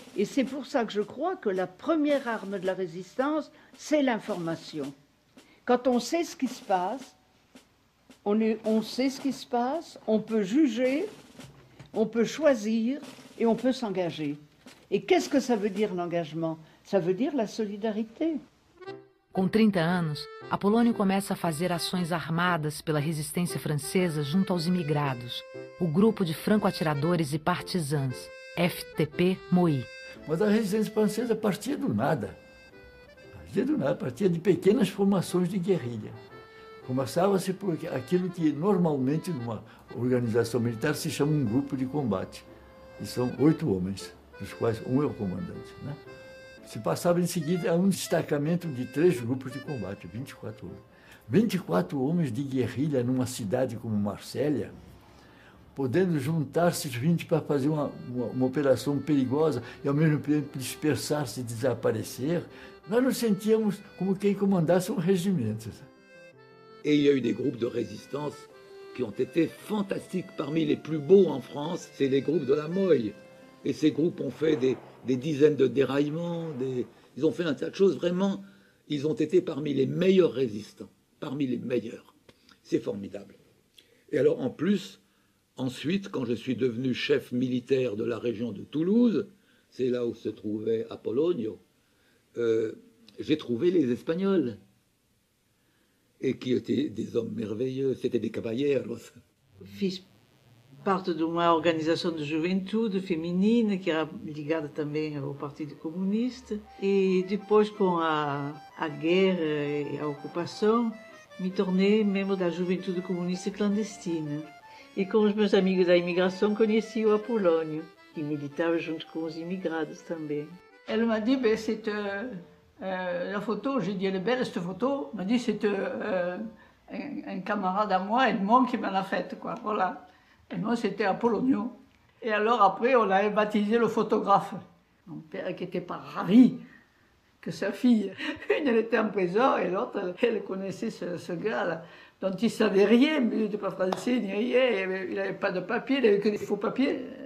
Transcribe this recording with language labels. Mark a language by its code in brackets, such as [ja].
[fr] Et c'est pour ça que je crois que la première arme de la résistance, c'est l'information. Quand on sait ce qui se passe, on sait ce qui se passe, on peut juger, on peut choisir et on peut s'engager. Et qu'est-ce que ça veut dire l'engagement? Ça veut dire la solidarité. [pt] Com 30 anos, Apolônio começa a fazer ações armadas pela resistência francesa junto aos imigrados, o grupo de franco-atiradores e partisans, FTP-MOI. Mas a resistência francesa partia do nada. Partia de pequenas formações de guerrilha. Começava-se por aquilo que normalmente numa organização militar se chama um grupo de combate. E são 8 homens, dos quais um é o comandante, né? Se passava em seguida a um destacamento de 3 grupos de combate, 24 homens. 24 homens de guerrilha numa cidade como Marselha, podendo juntar-se 20 para fazer uma operação perigosa e ao mesmo tempo dispersar-se e desaparecer, nós nos sentíamos como quem comandasse um regimento. E há eu [fr] des groupes de résistance que ont été fantastiques. Parmi les plus beaux en France, c'est les groupes de la Moille. Et ces groupes ont fait des dizaines de déraillements, ils ont fait un tas de choses. Vraiment, ils ont été parmi les meilleurs résistants, parmi les meilleurs. C'est formidable. Et alors, en plus, ensuite, quand je suis devenu chef militaire de la région de Toulouse, c'est là où se trouvait Apolonio, j'ai trouvé les Espagnols, et qui étaient des hommes merveilleux, c'était des caballeros. [pt] Fils parte de uma organização de juventude feminina, que era ligada também ao Partido Comunista. E depois, com a guerra e a ocupação, me tornei membro da juventude comunista clandestina. E com os meus amigos da imigração, conheci o Apolônio e militava junto com os imigrados também. Ela me disse, bem, [fr] c'est la photo, j'ai dit, elle est belle, cette photo. [pt] Ela me disse, [fr] c'est un camarade à moi, Edmond, qui m'en a fait, quoi, voilà. Et moi, c'était Apolonio. Et alors, après, on l'avait baptisé le photographe. Mon père, qui n'était pas ravi que sa fille, une, elle était en prison, et l'autre, elle connaissait ce gars-là, dont il ne savait rien, mais il n'était pas français, ni rien, il n'avait pas de papier, il n'avait que des faux papiers.